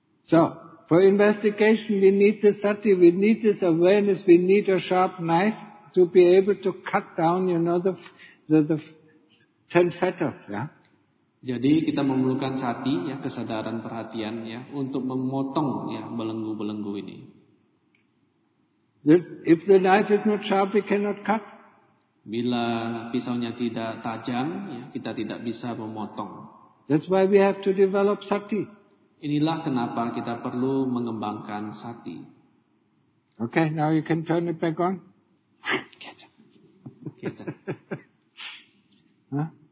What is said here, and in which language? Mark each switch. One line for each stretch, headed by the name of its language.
English: So, for investigation, we need this sati, we need this awareness, we need a sharp knife to be able to cut down, you know, the 10 fetters, ya. Yeah?
Indonesian: Jadi kita memerlukan sati, ya, kesadaran, perhatian, ya, untuk memotong, ya, belenggu-belenggu ini.
English: If the knife is not sharp, we cannot cut.
Indonesian: Bila pisaunya tidak tajam, ya, kita tidak bisa memotong.
English: That's why we have to develop sati.
Indonesian: Inilah kenapa kita perlu mengembangkan sati.
English: Okay, now you can turn it back on. Get it. Huh?